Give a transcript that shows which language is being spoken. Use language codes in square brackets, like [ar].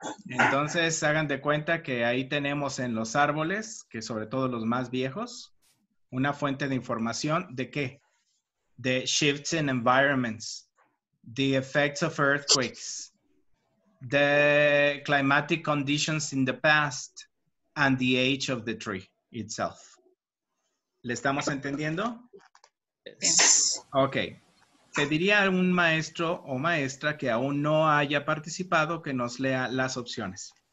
[es] Entonces, hagan de cuenta que ahí tenemos en los árboles, que sobre todo los más viejos, una fuente de información, ¿de qué? De [en] shifts in environments, the effects of earthquakes, the climatic conditions in the past, and the age of the tree itself. [es] ¿Le estamos entendiendo? [en] Yes. Okay. [es] Pediría a un maestro o maestra que aún no haya participado que nos lea las opciones.